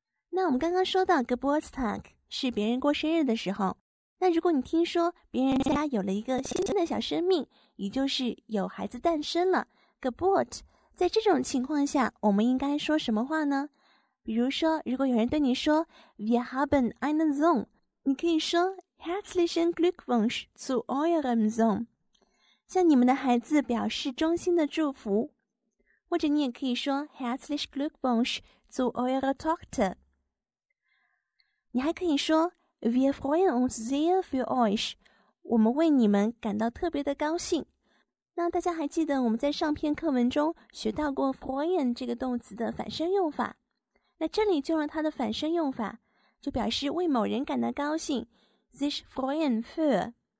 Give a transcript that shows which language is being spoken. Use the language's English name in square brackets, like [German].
[Chinese] 那我们刚刚说到 Geburtstag 是别人过生日的时候，那如果你听说别人家有了一个新生的小生命，也就是有孩子诞生了 Geburt， 在这种情况下我们应该说什么话呢？比如说如果有人对你说 [German] Wir haben einen Sohn， [Chinese] 你可以说 [German] Herzlichen Glückwunsch zu eurem Sohn， [Chinese] 向你们的孩子表示衷心的祝福。或者你也可以说 [German] Herzlich Glückwunsch zu eurer Tochter。 [Chinese] 你还可以说 [German] Wir freuen uns sehr für euch， [Chinese] 我们为你们感到特别的高兴。那大家还记得我们在上篇课文中学到过 freuen 这个动词的反身用法，那这里就用它的反身用法，就表示为某人感到高兴， sich freuen für。